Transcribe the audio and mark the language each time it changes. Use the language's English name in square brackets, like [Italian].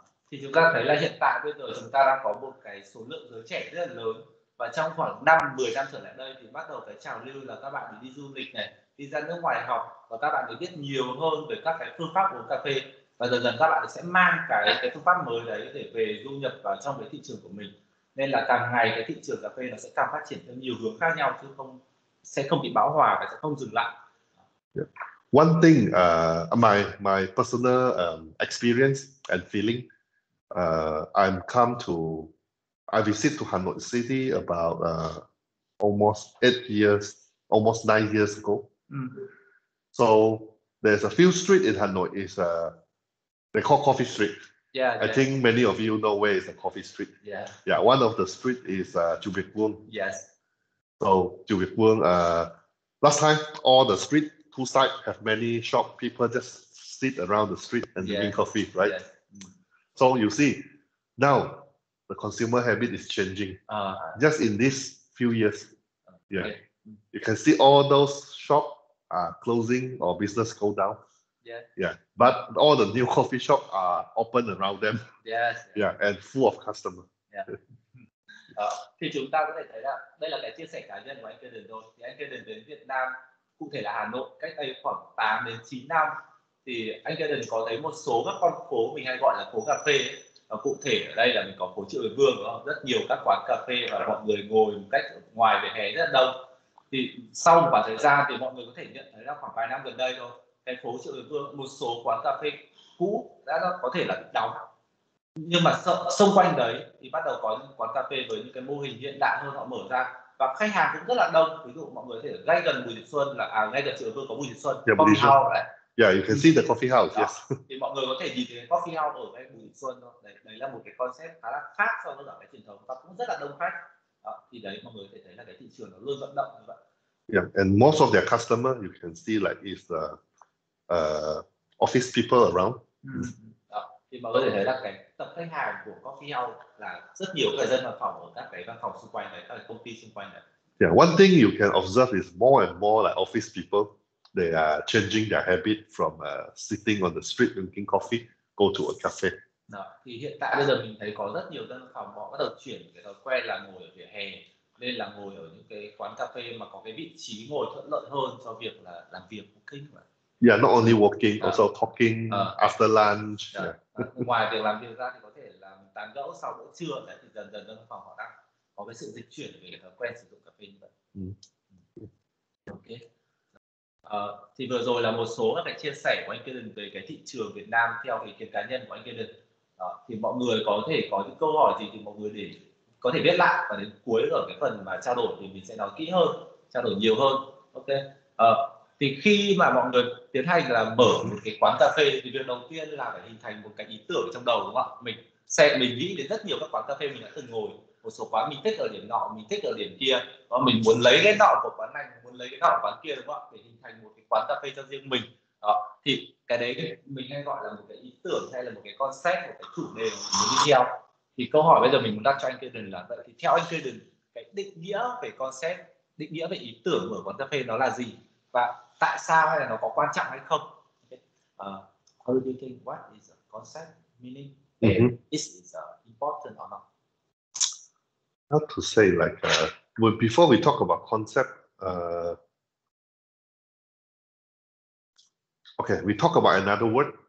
[Vietnamese] Thì chúng ta thấy là hiện tại bây giờ chúng ta đang có một cái số lượng giới trẻ rất là lớn và trong khoảng 5-10 năm trở lại đây thì bắt đầu cái trào lưu là các bạn đi du lịch này, đi ra nước ngoài học và các bạn được biết nhiều hơn về các cái phương pháp uống cà phê và dần dần các bạn sẽ mang cái phương pháp mới đấy để về du nhập vào trong cái thị trường của mình, nên là càng ngày cái thị trường cà phê nó sẽ càng phát triển theo nhiều hướng khác nhau chứ không sẽ không bị bão hòa và sẽ không dừng lại. [English] One thing my personal experience and feeling, I visit to Hanoi City about almost 9 years ago. Mm-hmm. So there's a few street in Hanoi is they call Coffee Street. Yeah. I think many of you know where is the Coffee Street. Yeah. Yeah. One of the street is Chu Viet Vuong. Yes. So Chu Viet Vuong. Last time all the street two side have many shop, people just sit around the street and drink coffee, right? Yes. So you see, now the consumer habit is changing. Just in these few years, yeah, right. You can see all those shop are closing or business go down. Yeah. Yeah. But all the new coffee shop are open around them. Yes. Yeah, and full of customer. Yeah. [Vietnamese] thì chúng ta có thể thấy là đây là cái chia sẻ cá nhân của anh Kevin thôi. Thì anh Kevin đến Việt Nam, cụ thể là Hà Nội cách đây khoảng 8 đến 9 năm. Thì anh Kevin có thấy một số các con phố mình hay gọi là phố cà phê, và cụ thể ở đây là mình có phố Triệu Việt Vương, đúng không? Rất nhiều các quán cà phê và mọi người ngồi một cách ngoài vỉa hè rất là đông. Thì sau một khoảng thời gian thì mọi người có thể nhận thấy là khoảng vài năm gần đây thôi, cái phố Triệu Việt Vương một số quán cà phê cũ đã có thể là đóng, nhưng mà xung quanh đấy thì bắt đầu có những quán cà phê với những cái mô hình hiện đại hơn họ mở ra và khách hàng cũng rất là đông. Ví dụ mọi người có thể ngay gần Bùi Thị Xuân là ngay gần Triệu Việt Vương có Bùi Thị Xuân, [English] Bùi Thị Xuân. Yeah, you can see the coffee house. Đó. Yes. [Vietnamese] Thì mọi người có thể nhìn thấy coffee house ở cái Bùi Thị Xuân thôi. Đấy là một cái concept khá là khác so với cái truyền thống và cũng rất là đông khách. Đó. Thì đấy mọi người có thể thấy là cái thị trường nó luôn vận động như vậy. [English] Yeah, and most of their customer you can see like is office people around. [Vietnamese] Đó. Thì mọi người có thể thấy là cái tập khách hàng của coffee house là rất nhiều người dân văn phòng ở các cái văn phòng xung quanh đấy, các cái công ty xung quanh đấy. [English] Yeah, one thing you can observe is more and more like office people. They are changing their habit from sitting on the street drinking coffee, go to a cafe. [Vietnamese] Đó, thì hiện tại bây giờ mình thấy có rất nhiều dân phòng họ bắt đầu chuyển cái thói quen là ngồi ở vỉa hè nên là ngồi ở những cái quán cà phê mà có cái vị trí ngồi thuận lợi hơn cho việc là làm việc working. [English] Yeah, not only working, also talking after lunch. Yeah. [Vietnamese] Ngoài việc làm việc ra thì có thể là tán gẫu sau bữa trưa đấy, thì dần dần dân phòng họ đang có cái sự dịch chuyển về cái thói quen sử dụng cà phê như vậy. Ok. Thì vừa rồi là một số các cái chia sẻ của anh Kevin về cái thị trường Việt Nam theo ý kiến cá nhân của anh Kevin. Thì mọi người có thể có những câu hỏi gì thì mọi người để có thể viết lại và đến cuối ở cái phần mà trao đổi thì mình sẽ nói kỹ hơn, trao đổi nhiều hơn. Ok. Thì khi mà mọi người tiến hành là mở một cái quán cà phê thì việc đầu tiên là phải hình thành một cái ý tưởng trong đầu, đúng không ạ? Mình nghĩ đến rất nhiều các quán cà phê mình đã từng ngồi, một số quán mình thích ở điểm nọ, mình thích ở điểm kia, và mình muốn lấy cái nọ của quán này, muốn lấy cái nọ của quán kia, đúng không ạ? Để hình thành một cái quán cà phê cho riêng mình. Đó, thì cái đấy mình hay gọi là một cái ý tưởng hay là một cái concept, một cái chủ đề muốn đi theo. Thì câu hỏi bây giờ mình muốn đặt cho anh Kaden là vậy thì theo anh Kaden, cái định nghĩa về concept, định nghĩa về ý tưởng của quán cà phê nó là gì, và tại sao hay là nó có quan trọng hay không? [English] How do you think what is a concept meaning? Is it important or not? How to say, like, well, before we talk about concept, okay, we talk about another word.